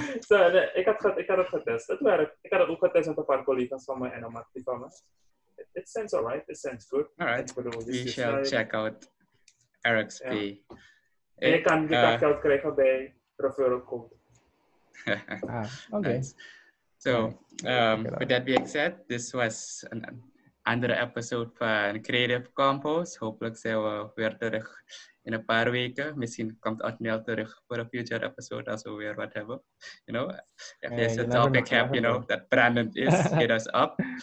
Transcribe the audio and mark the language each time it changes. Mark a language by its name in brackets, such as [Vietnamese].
[Dutch] Ja. So, ik had het getest met een paar collega's van mij en een matje van mij. [English] It sounds alright, it sounds good. Alright, we shall check out RxP. Ja. [Dutch] En je kan geld krijgen bij referral code. [English] Okay. Nice. So, with that being said, this was an andere episode van Creative Compos. [Dutch] Hopelijk zijn we weer terug in een paar weken. Misschien komt Otneil terug voor een [English] future episode [Dutch] als we weer wat hebben. [English] You know, if there's a topic that Brandon is, hit us up.